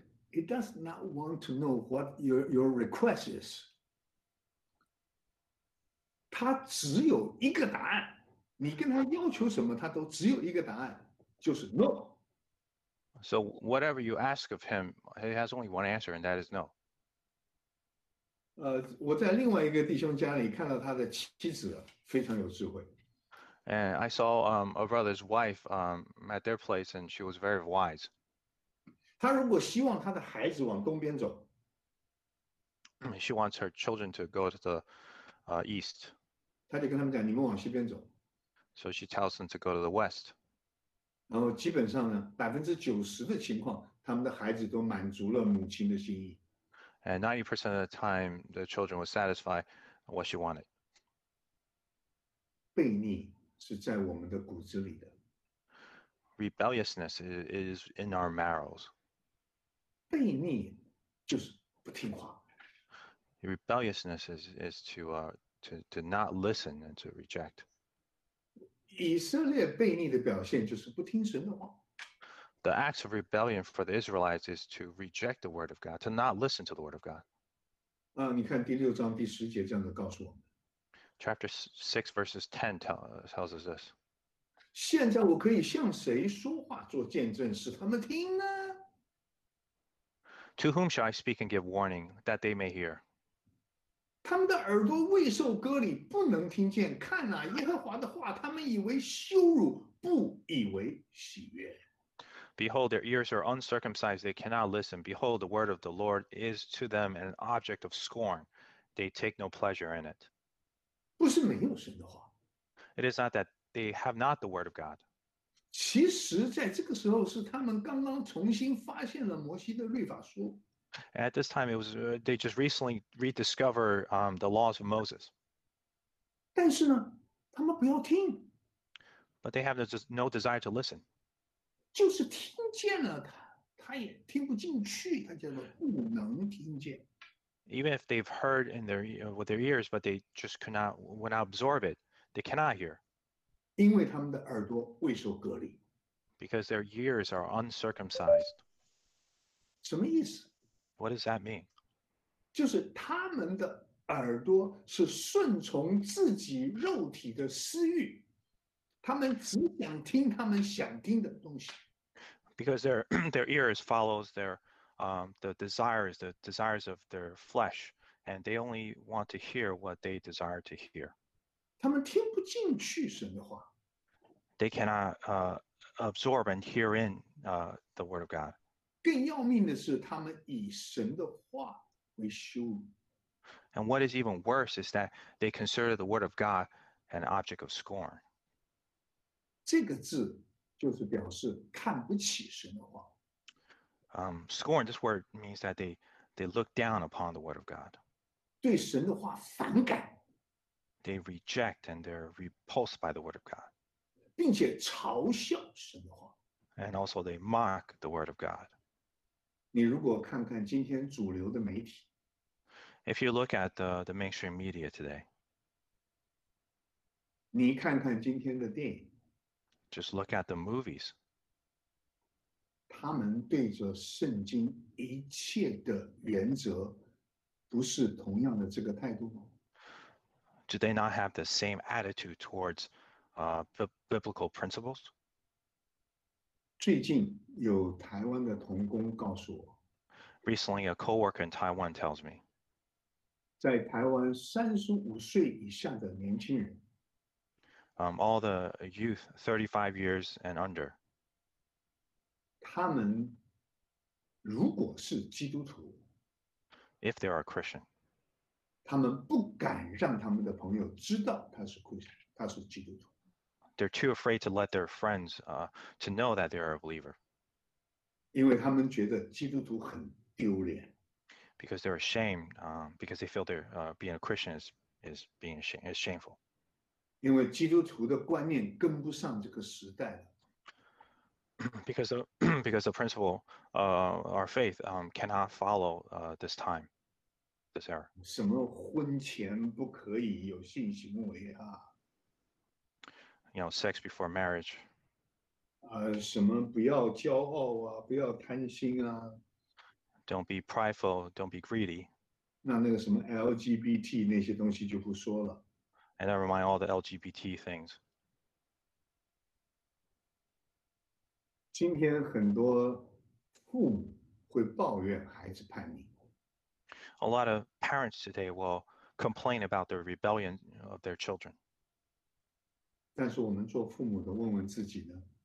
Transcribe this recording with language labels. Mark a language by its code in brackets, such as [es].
[en] He does not want to know what your request is. [zh] 他只有一个答案，你跟他要求什么，他都只有一个答案，就是 no. [en] So whatever you ask of him, he has only one answer, and that is no. [zh] 我在另外一个弟兄家里看到他的妻子非常有智慧。 [en] And I saw a brother's wife at their place, and she was very wise. [zh] 他如果希望他的孩子往东边走 [en] ，She wants her children to go to the east. [zh] 他就跟他们讲，你们往西边走。 [en] So she tells them to go to the west. [zh] 然后基本上呢，90%的情况，他们的孩子都满足了母亲的心意。 [en] And 90% of the time, the children were satisfied what she wanted. [zh] 悖逆是在我们的骨子里的。 [en] Rebelliousness is in our marrows. [zh] 悖逆就是不听话。 [en] Rebelliousness is to not listen and to reject. [zh] 以色列悖逆的表现就是不听神的话。 [en] The acts of rebellion for the Israelites is to reject the word of God, to not listen to the word of God. [zh] 你看第六章第十节这样的告诉我们。 [en] Chapter 6, verses 10 tells us this. [zh] 现在我可以向谁说话做见证使他们听呢？ [en] To whom shall I speak and give warning that they may hear? [zh] 他们的耳朵未受割礼，不能听见，看哪，耶和华的话，他们以为羞辱，不以为喜悦。 [en] Behold, their ears are uncircumcised, they cannot listen. Behold, the word of the Lord is to them an object of scorn. They take no pleasure in it. [zh] 不是没有神的话。 [en] It is not that they have not the word of God. [zh] 其实在这个时候是他们刚刚重新发现了摩西的律法书。 [en] At this time, they just recently rediscovered the laws of Moses. [zh] 但是呢，他们不要听。 [en] But they have no desire to listen. [zh] 就是听见了他也听不进去，他叫做不能听见。 [en] Even if they've heard in their with their ears, but they just cannot would not absorb it, they cannot hear. [zh] 因为他们的耳朵未受割礼。 [en] Because their ears are uncircumcised. [zh] 什么意思？ [en] What does that mean? [zh] 就是他们的耳朵是顺从自己肉体的私欲。他们只想听他们想听的东西。 [en] Because their ears follows the desires of their flesh, and they only want to hear what they desire to hear. [zh] 他们听不进去神的话。 [en] They cannot absorb and hear in the word of God. [zh] 更要命的是，他们以神的话为羞辱。 [en] And what is even worse is that they consider the word of God an object of scorn. [zh] 这个字就是表示看不起神的话。 [en] Scorn, this word means that they look down upon the word of God. [zh] 对神的话反感。 [en] They reject and they're repulsed by the word of God. [zh] 并且嘲笑神的话。 [en] And also they mock the word of God. [zh] 你如果看看今天主流的媒体。 [en] If you look at the mainstream media today. [zh] 你看看今天的电影。 [en] Just look at the movies. [zh] 他们对着圣经一切的原则不是同样的这个态度吗？ [en] Do they not have the same attitude towards biblical principles? [zh] 最近有台湾的同工告诉我。 [en] Recently, a coworker in Taiwan tells me. [zh] 在台湾35岁以下的年轻人 [en] All the youth, 35 years and under. [zh] 他们如果是基督徒, [en] if they are a Christian, [zh] 他们不敢让他们的朋友知道他是基督徒。 [en] They're too afraid to let their friends to know that they are a believer. [zh] 因为他们觉得基督徒很丢脸。 [en] because they're ashamed, because they feel they're being a Christian is being ashamed, is shameful. [zh] 因为基督徒的观念跟不上这个时代了。 [en] Because the principle, our faith, cannot follow, this time, this era. [zh] 什么婚前不可以有性行为啊？ [en] You know, sex before marriage. [zh] 什么不要骄傲啊，不要贪心啊。 [en] Don't be prideful, don't be greedy. [zh] 那那个什么 LGBT 那些东西就不说了。 [en] And never mind all the LGBT things. [zh] 今天很多父母会抱怨孩子叛逆。 [en] A lot of parents today will complain about the rebellion of their children. [zh] 但是我们做父母的问问自己呢？